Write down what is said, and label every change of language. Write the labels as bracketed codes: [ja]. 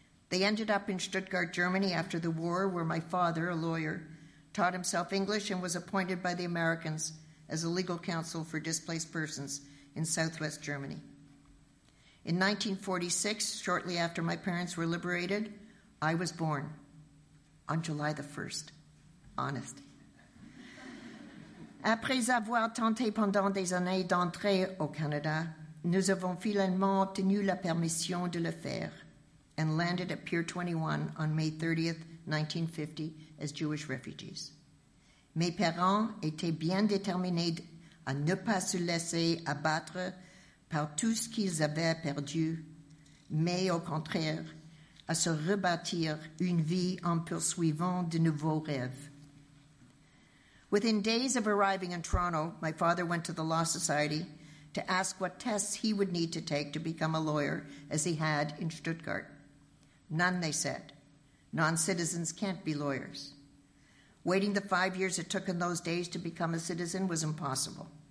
[en] They ended up in Stuttgart, Germany after the war, where my father, a lawyer, taught himself English and was appointed by the Americans as a legal counsel for displaced persons in southwest Germany. In 1946, shortly after my parents were liberated, I was born on July the 1st. Honest. [fr] Après avoir tenté pendant des années d'entrer au Canada, nous avons finalement obtenu la permission de le faire [en] and landed at Pier 21 on May 30th, 1950, as Jewish refugees. [fr] Mes parents étaient bien déterminés à ne pas se laisser abattre par tout ce qu'ils avaient perdu, mais au contraire, à se rebâtir une vie en poursuivant de nouveaux rêves. [en] Within days of arriving in Toronto, my father went to the Law Society to ask what tests he would need to take to become a lawyer, as he had in Stuttgart. None, they said. Non-citizens can't be lawyers. Waiting the 5 years it took in those days to become a citizen was impossible.